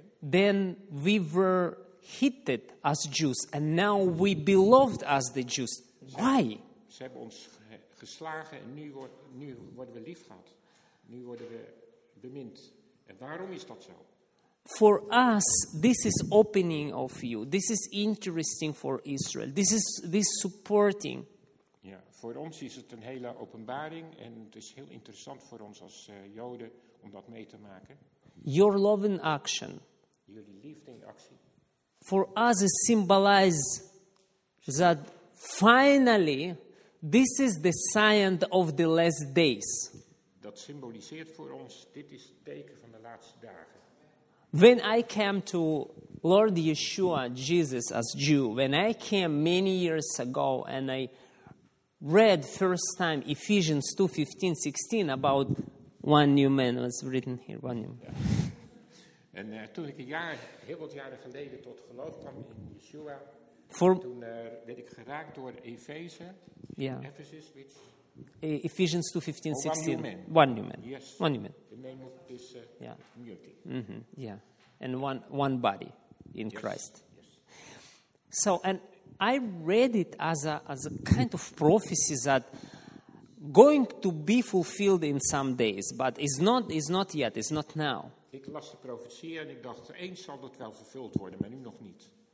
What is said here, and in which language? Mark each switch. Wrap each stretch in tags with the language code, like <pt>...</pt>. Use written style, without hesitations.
<en>Then we were hated as Jews, and now we beloved as the Jews. Why?</en> <nl>Ze hebben ons geslagen en nu worden we lief gehad. Nu worden we bemind. En waarom is dat zo?</nl> <en>For us, this is opening of you. This is interesting for Israel. This is supporting.</en> <nl>Ja, voor ons is het een hele openbaring. En het is heel interessant voor ons als Joden om dat mee te maken.</nl> <en>Your love in action.</en> <nl>Jullie liefde in actie.</nl> <en>For us, it symbolizes that finally. This is the sign of the last days.</en> <nl>Dat symboliseert voor ons, dit is het teken van de laatste dagen.</nl> <en>When I came to Lord Yeshua, Jesus as Jew, when I came many years ago and I read first time Ephesians 2:15-16 about one new man was written here. One new man.</en> <nl>Ja. En toen ik heel wat jaren geleden tot geloof kwam in Yeshua. Toen werd ik geraakt door Efeze.</nl> <en>Yeah. Ephesus, which? Ephesians 2:15-16. One new man. Yes. One new man. The name of this community. Mm-hmm. Yeah. And one body in yes. Christ. Yes. So, and I read it as a kind of prophecy that going to be fulfilled in some days, but it's not yet, it's not now.</en> <nl>Ik las de profetie en ik dacht, eens zal dat wel vervuld worden, maar nu nog niet.</nl>